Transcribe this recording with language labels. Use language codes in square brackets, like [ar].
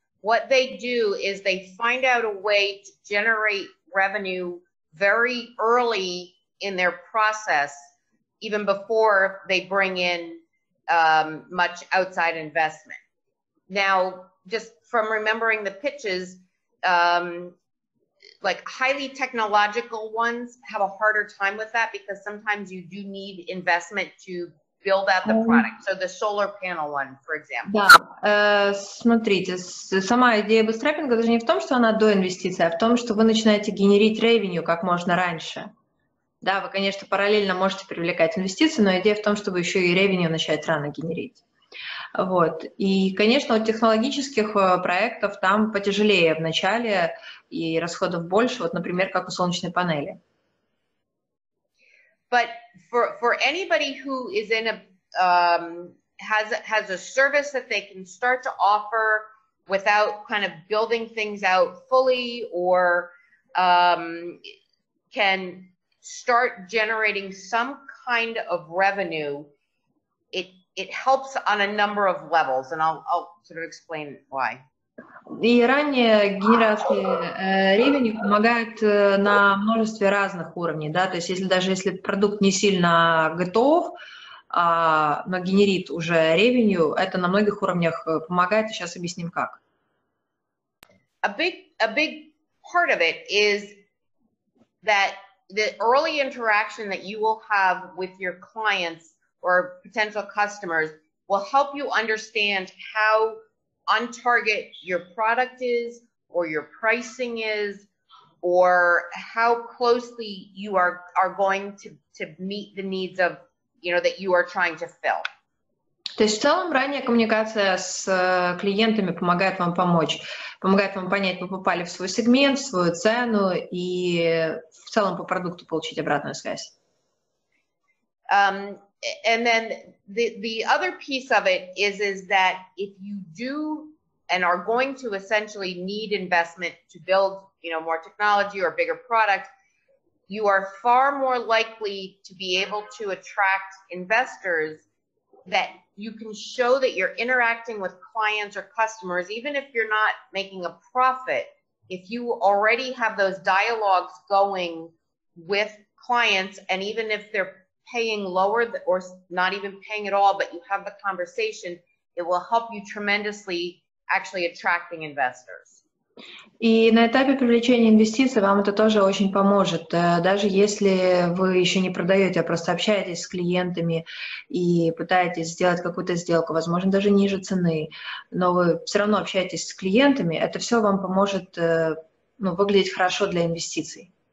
[en] What they do is they find out a way to generate revenue very early in their process, even before they bring in much outside investment. Now, just from remembering the pitches, like highly technological ones have a harder time with that because sometimes you do need investment to build out the product. So the solar panel one, for example. [ru] Да, смотрите, сама идея бустрапинга даже не в том, что она до инвестиций, а в том, что вы начинаете генерить ревеню как можно раньше. Да, вы, конечно, параллельно можете привлекать инвестиции, но идея в том, чтобы еще и ревеню начать рано генерить. Вот. И, конечно, у технологических проектов там потяжелее в начале и расходов больше, вот, например, как у солнечной панели. [en] But for anybody who is in a has a service that they can start to offer without kind of building things out fully or can start generating some kind of revenue, it helps on a number of levels, and I'll sort of explain why. [ru] И ранняя генерация ревеню помогает на множестве разных уровней, да, то есть если продукт не сильно готов, но генерит уже ревеню, это на многих уровнях помогает, и сейчас объясним как. [en] A big part of it is that the early interaction that you will have with your clients or potential customers will help you understand how on target your product is, or your pricing is, or how closely you are going to meet the needs of, you know, that you are trying to fill. [ru] То есть в целом ранняя коммуникация с клиентами помогает вам помочь, помогает вам понять, вы попали в свой сегмент, в свою цену и в целом по продукту получить обратную связь. [en] And then the other piece of it is that if you do and are going to essentially need investment to build, you know, more technology or bigger product, you are far more likely to be able to attract investors that you can show that you're interacting with clients or customers, even if you're not making a profit, if you already have those dialogues going with clients, and even if they're paying lower or not even paying at all, but you have the conversation, it will help you tremendously actually attracting investors. [ru] И на этапе привлечения инвестиций вам это тоже очень поможет. Даже если вы еще не продаете, а просто общаетесь с клиентами и пытаетесь сделать какую-то сделку, возможно, даже ниже цены, но вы все равно общаетесь с клиентами, это все вам поможет, ну, выглядеть хорошо для инвестиций.